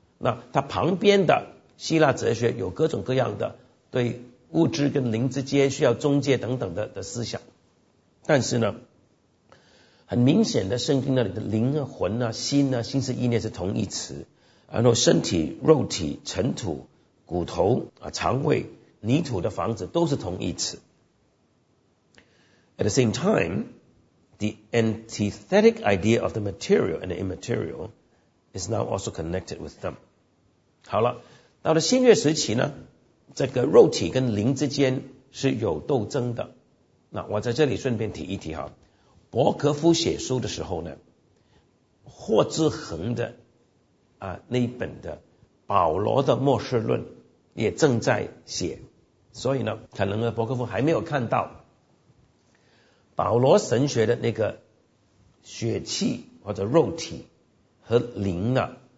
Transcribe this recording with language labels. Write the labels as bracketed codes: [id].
[zh] 那它旁边的希腊哲学有各种各样的对物质跟灵之间需要中介等等 的思想，但是呢很明显的，圣经那里的灵啊、魂啊、心啊、心思意念是同义词，然后身体、肉体、尘土、骨头、肠胃、泥土的房子都是同义词。 [en] At the same time, The antithetic idea of the material and the immaterial is now also connected with them. [zh] 好了，到了新约时期呢，这个肉体跟灵之间是有斗争的。那我在这里顺便提一提哈，伯格夫写书的时候呢，霍志恒的啊那一本的保罗的末世论也正在写，所以呢，可能呢伯格夫还没有看到保罗神学的那个血气或者肉体和灵啊，